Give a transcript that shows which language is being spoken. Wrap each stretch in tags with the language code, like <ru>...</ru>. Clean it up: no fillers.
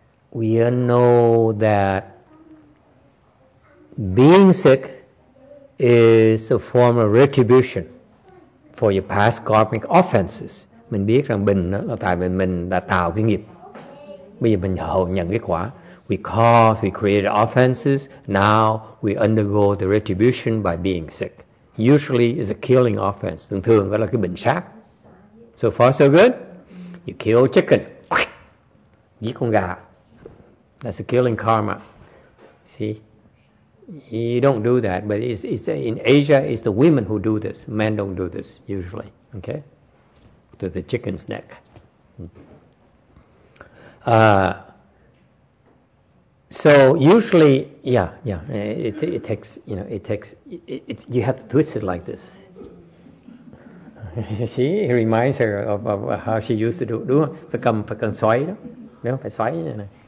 <en>We know that being sick is a form of retribution for your past karmic offenses.</en> <vi>Mình biết rằng bệnh là tại vì mình đã tạo cái nghiệp. Bây giờ mình hậu nhận kết quả.</vi> <en>We cause, we create offenses. Now we undergo the retribution by being sick. Usually it's a killing offense.</en> <vi>Thường thường đó là cái bệnh sát.</vi> <en>So far so good. You kill chicken.</en> <vi>Giết con gà.</vi> <en>That's a killing karma. See? You don't do that. But it's in Asia, it's the women who do this. Men don't do this usually. Okay? To the chicken's neck. So usually, it takes you have to twist it like this. See, it reminds her of how she used to do</en> <vi>phải cầm xoáy đó, đúng không? Phải xoáy như này.</vi>